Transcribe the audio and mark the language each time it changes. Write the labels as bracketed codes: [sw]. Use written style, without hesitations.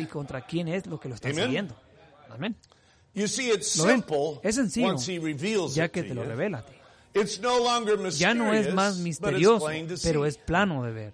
[es] Y contra quién es lo que lo está siguiendo. [en] Amen. You see, it's simple once he reveals it to you. It's no longer mysterious, [es] ya no es más misterioso, pero es plano de ver.